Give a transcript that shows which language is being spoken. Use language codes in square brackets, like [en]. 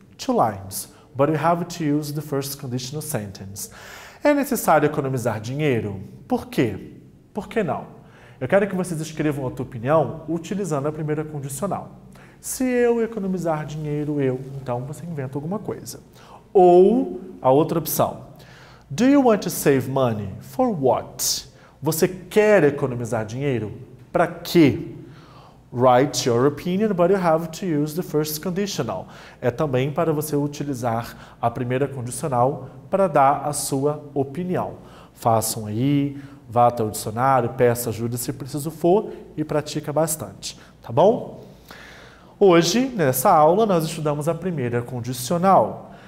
[en] Two lines, but you have to use the first conditional sentence. [pt] É necessário economizar dinheiro? Por quê? Por que não? Eu quero que vocês escrevam a tua opinião utilizando a primeira condicional. Se eu economizar dinheiro, então você inventa alguma coisa. Ou a outra opção. [en] Do you want to save money? For what? [pt] Você quer economizar dinheiro? Para quê? [en] Write your opinion, but you have to use the first conditional. [pt] É também para você utilizar a primeira condicional para dar a sua opinião. Façam aí, vá até o dicionário, peça ajuda se preciso for e pratica bastante, tá bom? Hoje, nessa aula, nós estudamos a primeira condicional.